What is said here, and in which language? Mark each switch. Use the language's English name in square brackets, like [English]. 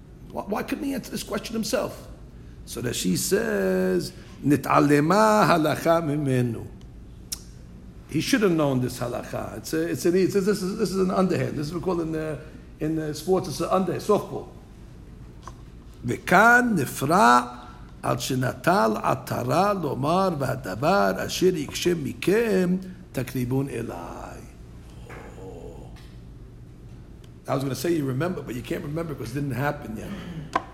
[English] Why couldn't he answer this question himself? So Rashi says, Nit'alema halakha mimenu. He should have known this halakha. This is an underhand. This is what we call in the sports, it's an underhand, softball. [Hebrew] וכאן נפרע על שנטל עטרה לומר והדבר אשר יקשה מכם תקריבון אליי. [English] I was going to say you remember, but you can't remember because it didn't happen yet.